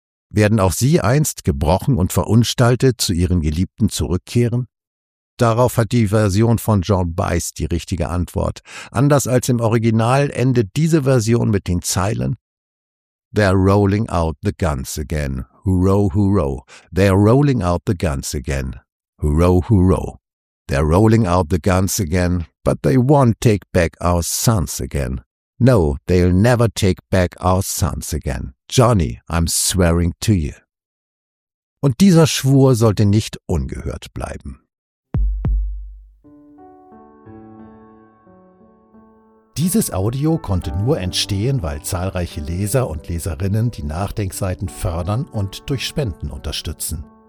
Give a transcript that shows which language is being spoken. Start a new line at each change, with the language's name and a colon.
German: Werden auch sie einst gebrochen und verunstaltet zu ihren Geliebten zurückkehren? Darauf hat die Version von John Byes die richtige Antwort. Anders als im Original endet diese Version mit den Zeilen:
English: They're rolling out the guns again. Hurrah, hurrah. They're rolling out the guns again. Hurrah, hurrah. They're rolling out the guns again, but they won't take back our sons again. No, they'll never take back our sons again. Johnny, I'm swearing to you.
German: Und dieser Schwur sollte nicht ungehört bleiben. Dieses Audio konnte nur entstehen, weil zahlreiche Leser und Leserinnen die Nachdenkseiten fördern und durch Spenden unterstützen.